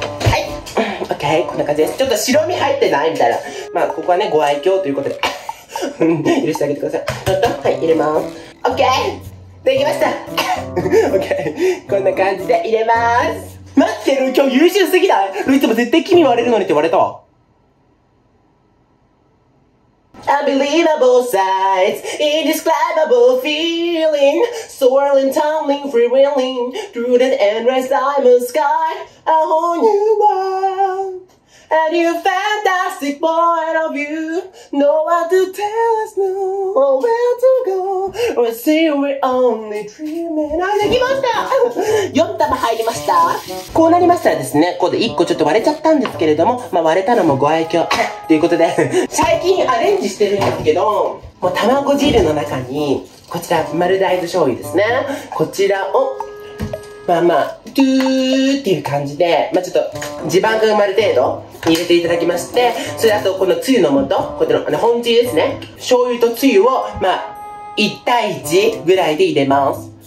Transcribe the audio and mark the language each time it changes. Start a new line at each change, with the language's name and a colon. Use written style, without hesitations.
Japanese: はい、オッケー、こんな感じです。ちょっと白身入ってないみたいな、まあここはねご愛嬌ということで許してあげてください。トントン、はい、入れます。オッケー、できました。オッケー、こんな感じで入れます。待ってる、今日優秀すぎない？いつも絶対君割れるのにって言われたわ。
English: Unbelievable sights, indescribable feeling, swirling, tumbling, freewheeling through the endless diamond sky, a whole new world. A new fantastic point of view, no one to tell us no, where to go, or see we're only dreaming.
Japanese: 泣きました4玉入りました。こうなりましたらですね、ここで1個ちょっと割れちゃったんですけれども、まあ割れたのもご愛嬌ということで最近アレンジしてるんですけど、もう卵汁の中にこちら丸大豆醤油ですね、こちらをまあまあドゥーっていう感じで、まあちょっと地盤が埋まる程度入れていただきまして、それあとこのつゆの素、こっちの本汁ですね、醤油とつゆをまあ1対1ぐらいで入れます。